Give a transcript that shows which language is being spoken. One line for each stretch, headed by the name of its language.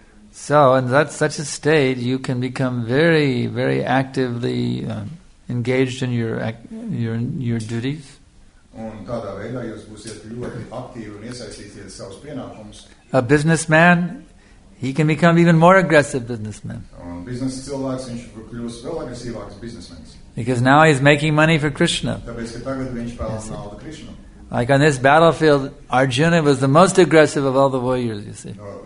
English: So, in that such a state, you can become very, very actively engaged in your duties.
Latvian: Un tādā veidā jūs būsiet ļoti aktīvi un iesaistīties savus pienākumus.
English: A businessman, he can become even more aggressive businessman.
Latvian: Un biznesa cilvēks, viņš kļūst vēl agresīvāks biznesmens.
English: Because now he's making money for Krishna.
Latvian: Tāpēc, ka tagad viņš pelna naudu Krishna.
English: Like on this battlefield, Arjuna was the most aggressive of all the warriors, you see.